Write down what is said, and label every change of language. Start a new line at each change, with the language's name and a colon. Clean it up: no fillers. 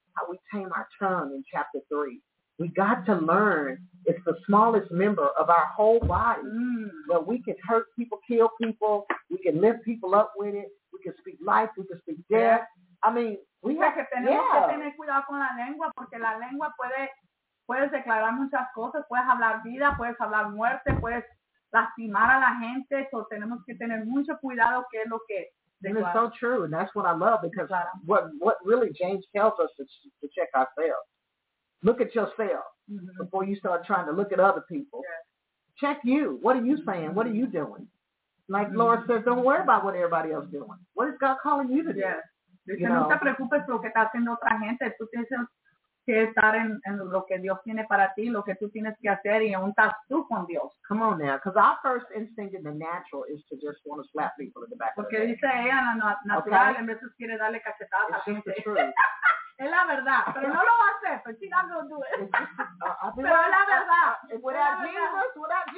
English: how we tame our tongue in chapter 3. We got to learn it's the smallest member of our whole body, but we can hurt people, kill people. We can lift people up with it. We can speak life. We can speak death. I mean, we have
Spanish: to tener cuidado con la lengua porque la lengua puedes declarar muchas cosas. Puedes hablar vida. Puedes hablar muerte. Puedes lastimar a la gente. So tenemos que tener mucho cuidado qué es lo que.
English: And it's so true, and that's what I love because what really James tells us is to check ourselves. Look at yourself before you start trying to look at other people. Yes. Check you. What are you saying? What are you doing? Like Laura says, don't worry about what everybody else is doing. What is God calling you to do? Yes.
Spanish: Dice, no te preocupes lo que está haciendo otra gente. Tú tienes que estar en lo que Dios tiene para ti, lo que tú tienes que hacer y aún estás tú con Dios.
English: Come on now, because our first instinct in the natural is to just want to slap people in the back of the head.
Spanish: Porque dice ella, la natural, en veces quiere darle cachetadas.
English: It's just the truth.
Spanish: Es la verdad, pero no lo va a hacer, pero si no, no lo va a hacer. Pero es la verdad.